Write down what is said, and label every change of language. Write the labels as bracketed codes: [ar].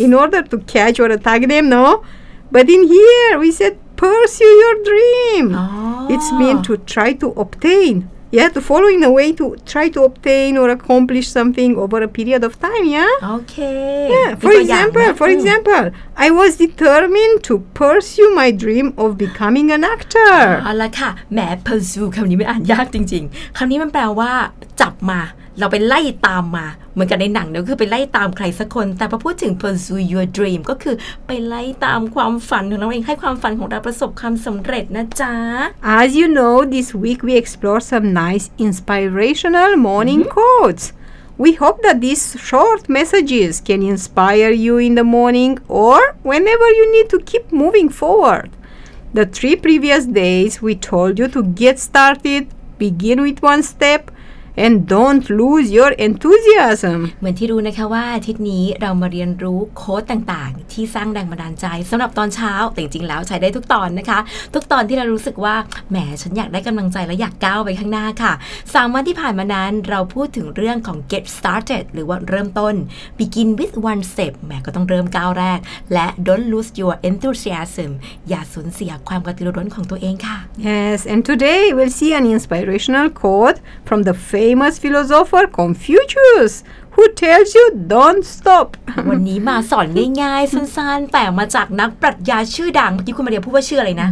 [en] In order to catch or attack them, no? But in here, we said, pursue your dream. It's mean to try to obtain. Yeah, to follow in a way to try to obtain or accomplish something over a period of time, yeah? Okay. Yeah, for example, I was determined to pursue my dream of becoming an actor. [th] เอาละค่ะแม้ pursue คำนี้ไม่อ่านยากจริงๆคำนี้มันแปลว่าจับมาเราไปไล่ตามมาเหมือนกันในหนังเนี่ยคือไปไล่ตามใครสักคนแต่พอพูดถึง [en] pursue your dream [th] ก็คือไปไล่ตามความฝันของเราเองให้ความฝันของเราประสบความสำเร็จนะจ๊ะ [en] As you know this week we explore some nice inspirational morning quotes we hope that these short messages can inspire you in the morning or whenever you need to keep moving forward the three previous days we told you to get started begin with one stepAnd don't lose your enthusiasm. [th] เหมือนที่รู้นะคะว่าอาทิตย์นี้เรามาเรียนรู้โค้ดต่างๆที่สร้างแรงบันดาลใจสำหรับตอนเช้าแต่จริงๆแล้วใช้ได้ทุกตอนนะคะทุกตอนที่เรารู้สึกว่าแหมฉันอยากได้กำลังใจและอยากก้าวไปข้างหน้าค่ะ3วันที่ผ่านมานั้นเราพูดถึงเรื่องของ [en] get started [th] หรือว่าเริ่มต้น [en] begin with one step [th] แหมก็ต้องเริ่มก้าวแรกและ [en] don't lose your enthusiasm [th] อย่าสูญเสียความกระตือรือร้นของตัวเองค่ะ [en] Yes and today we'll see an inspirational quote from the famous philosopher Confucius who tells you don't stop [th] วันนี้มาสอนง่ายๆสั้นๆแต่มาจากนักปรัชญาชื่อดังเมื่อกี้คุณมาเรียพูดว่าชื่ออะไรนะ